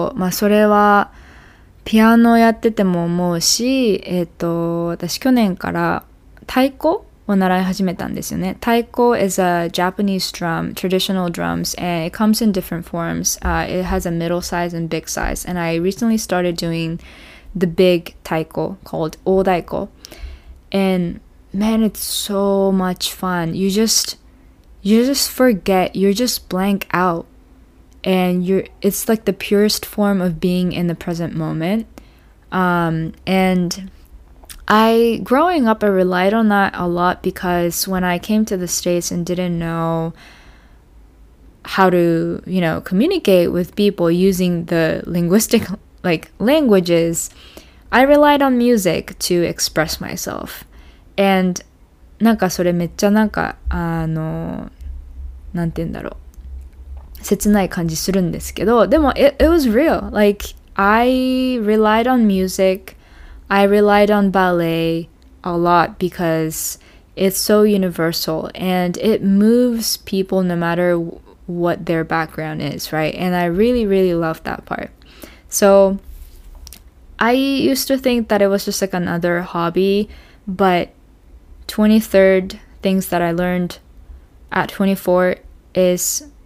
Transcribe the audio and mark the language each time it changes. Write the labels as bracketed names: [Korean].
[Japanese] それはピアノをやってても思うし、私去年から太鼓を習い始めたんですよね。 [English] 太鼓 is a Japanese drum, traditional drums, and it comes in different forms. It has a middle size and big size. And I recently started doing the big 太鼓 called 大太鼓. And man, it's so much fun. You just forget, you're just blank out. And it's like the purest form of being in the present moment. And I, growing up, I relied on that a lot because when I came to the States and didn't know how to, you know, communicate with people using the linguistic, like, languages, I relied on music to express myself. [Japanese] And なんかそれめっちゃなんか、なんて言うんだろう。切ない感じするんですけど、でも [English] it was real. Like, I relied on music, I relied on ballet a lot because it's so universal and it moves people no matter what their background is, right? And I really, really love that part. So, I used to think that it was just like another hobby, but 23rd things that I learned at 24 is...